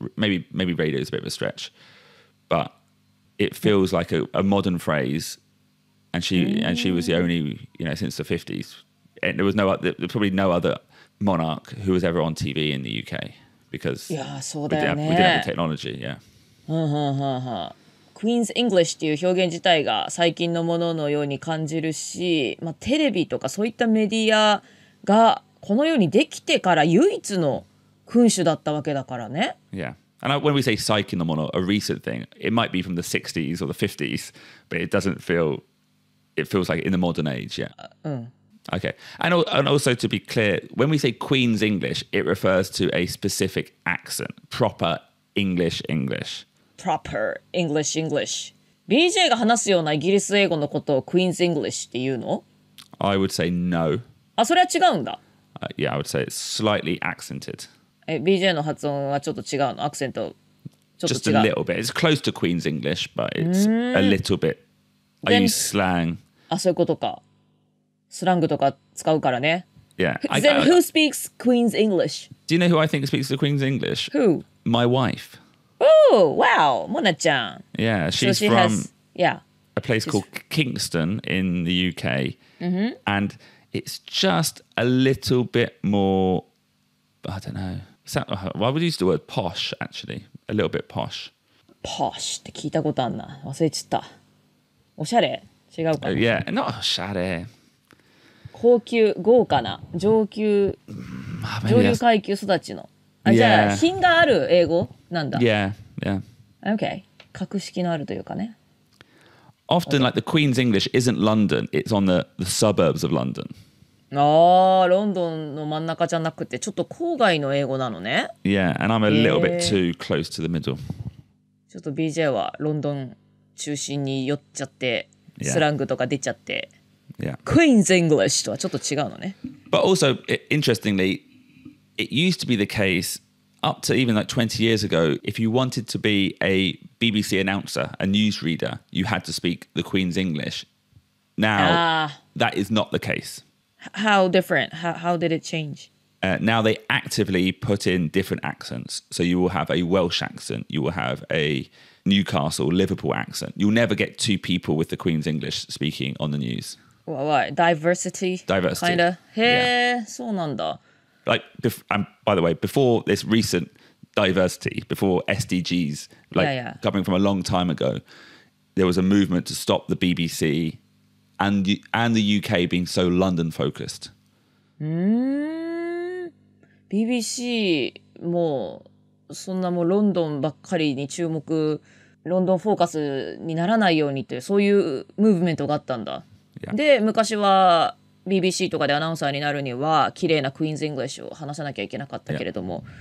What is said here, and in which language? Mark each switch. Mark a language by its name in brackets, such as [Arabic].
[English] Maybe radio is a bit of a stretch, but it feels like a modern phrase. And she,、mm. and she was the only, you know, since the 50s. And there was no, there was probably no other monarch who was ever on TV in the UK because yeah, so we, didn't have, we didn't have the technology. Yeah. [Japanese] Queen's English っていう表現自体が最近のもののように感じるし、まあ、テレビとかそういったメディアがこのようにできてから唯一の君主だったわけだからね。 [English] Yeah. And when we say 最近のもの, a recent thing, it might be from the 60s or the 50s, but it doesn't feel, it feels like in the modern age, yeah. Okay. And also to be clear, when we say Queen's English, it refers to a specific accent, proper English English. [Japanese] Proper English English. BJ が話すようなイギリス英語のことを Queen's English って言うの? [English] I would say no. [Japanese] あ、それは違うんだ。 [English] Yeah, I would say it's slightly accented. [Japanese] え、BJ の発音はちょっと違うの? アクセントちょっと違う? [English] Just a little bit. It's close to Queen's English, but it's a little bit. I use slang. [Japanese] あ、そういうことか。スラングとか使うからね。 [English] Yeah. Then who speaks Queen's English? Do you know who I think speaks the Queen's English? Who? My wife. Oh, wow, Mona-chan. Yeah, she's so she from has, yeah. a place she's... called Kingston in the UK.、 Mm-hmm. And it's just a little bit more, I don't know. Why would you use the word posh, actually? A little bit posh. [Japanese] Posh, って聞いたことあんな。忘れちった。おしゃれ?違うかな? [English] Yeah, not おしゃれ。 [Japanese] 高級、豪華な、上級、上流階級育ちの。あ、じゃあ、品がある英語? なんだ? [English] Yeah, yeah. Okay. [Japanese] 格式のあるというかね。 [English] Often, like, the Queen's English isn't London. It's on the suburbs of London. [Japanese] ああ、ロンドンの真ん中じゃなくて、ちょっと郊外の英語なのね。 [English] Yeah, and I'm a little bit too close to the middle. [Japanese] ちょっと BJ はロンドン中心に寄っちゃって、スラングとか出ちゃって。 [English] Yeah. [Japanese] Queen's English とはちょっと違うのね。 [English] But also, interestingly, it used to be the case... Up to even like 20 years ago, if you wanted to be a BBC announcer, a newsreader, you had to speak the Queen's English. Now,、that is not the case. How different? How did it change?、 now they actively put in different accents. So you will have a Welsh accent, you will have a Newcastle, Liverpool accent. You'll never get two people with the Queen's English speaking on the news. What? Diversity? Diversity. Kind of. Yeah, そうなんだ。 Like, and by the way, before this recent diversity, before SDGs, like coming from a long time ago, there was a movement to stop the BBC and the UK being so London focused. [Japanese] BBC, もうそんなもうロンドンばっかりに注目、ロンドンフォーカスにならないようにってそういうムーブメントがあったんだ。で、昔はBBC とかでアナウンサーになるには綺麗なクイーンズ・イングリッシュを話さなきゃいけなかったけれども、yeah.